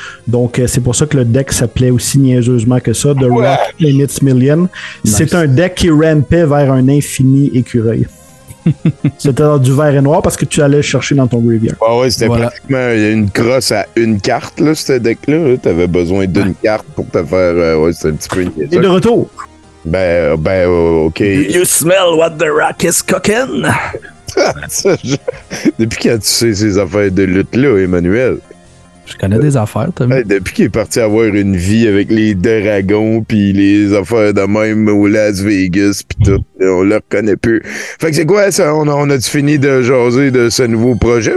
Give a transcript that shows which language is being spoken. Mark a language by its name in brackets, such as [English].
[French] Donc c'est pour ça que le deck s'appelait aussi niaiseusement que ça, The Rock and its Million. Nice. C'est un deck qui rampait vers un infini écureuil. C'était dans du vert et noir parce que tu allais chercher dans ton graveyard. Ah ouais, c'était pratiquement une crosse à une carte, là, ce deck-là. T'avais besoin d'une carte pour te faire. Ouais, c'était un petit peu une question. Et de retour! Ben, ok. [English] You smell what the rock is cooking? [French] Depuis quand tu sais ces affaires de lutte-là, Emmanuel? Je connais des affaires, Tommy. Hey, depuis qu'il est parti avoir une vie avec les dragons puis les affaires de même au Las Vegas puis tout, on le reconnaît plus. Fait que c'est quoi ça? On a-tu fini de jaser de ce nouveau projet?